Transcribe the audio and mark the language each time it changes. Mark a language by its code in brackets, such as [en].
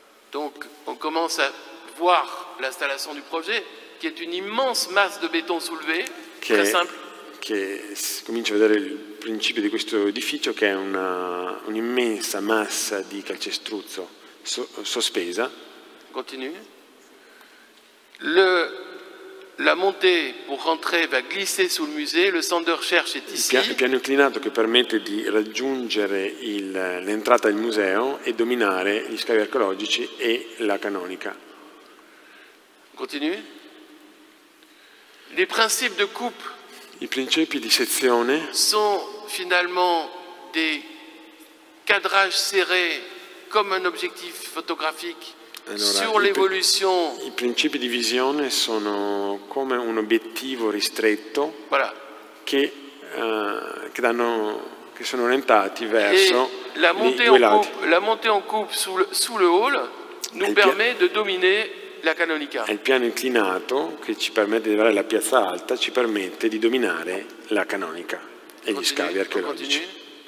[fr] Donc, on commence à voir l'installation du projet, qui est une immense masse de béton soulevé, très simple. [it] Che si comincia a vedere il principio di questo edificio, che è un'immensa massa di calcestruzzo. Sospesa. [fr] Continue. La montée pour rentrer va glisser sous le musée. Le centre de recherche est ici. [it] Il piano inclinato che permette di raggiungere l'entrata del museo e dominare gli scavi archeologici e la canonica. [fr] Continue. Les principes de coupe. [it] I principi di sezione. [fr] Sont finalement des cadrages serrés. Comme un objectif photographique Allora, sur l'évolution. [it] I principi di visione sono come un obiettivo ristretto, [fr] voilà, [it] che danno, che sono orientati verso [fr] la montée en coupe, la montée en coupe sous le hall nous permet de dominer la canonica. [it] Il piano inclinato che ci permette di avere la piazza alta ci permette di dominare la canonica e gli scavi archeologici.